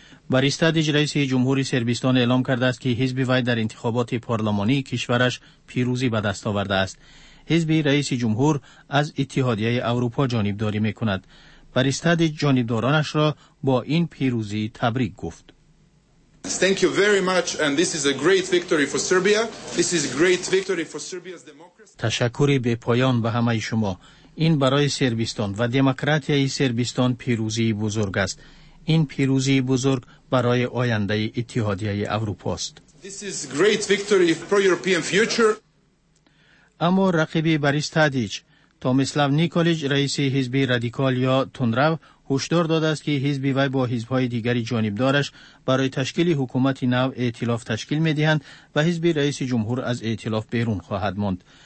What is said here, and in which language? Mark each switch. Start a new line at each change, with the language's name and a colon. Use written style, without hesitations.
Persian: باریستا دیج رئیس جمهوری سربستان اعلام کرده است که حزب وی در انتخابات پارلمانی کشورش پیروزی به دست آورده است. حزب رئیس جمهور از اتحادیه اروپا جانبداری میکند. باریستا دیج جانبدارانش را با این پیروزی تبریک گفت.
English: Thank you very much and this is a great victory for Serbia. This is a great victory for Serbia's democracy.
Persian: تشکر بی پایان به همه شما. این برای سربستان و دموکراتیای سربستان پیروزی بزرگ است. این پیروزی بزرگ برای آینده اتحادیه اروپا است.
English: This is great victory for European future.
Persian: اما رقیب باریس تادیچ، تومیسلاو نیکولیچ، رئیس حزب رادیکال یا تندرو، هشدار داده است که حزب وی با حزب‌های دیگری جانبدارش برای تشکیل حکومت نو ائتلاف تشکیل می‌دهند و حزب رئیس جمهور از ائتلاف بیرون خواهد ماند.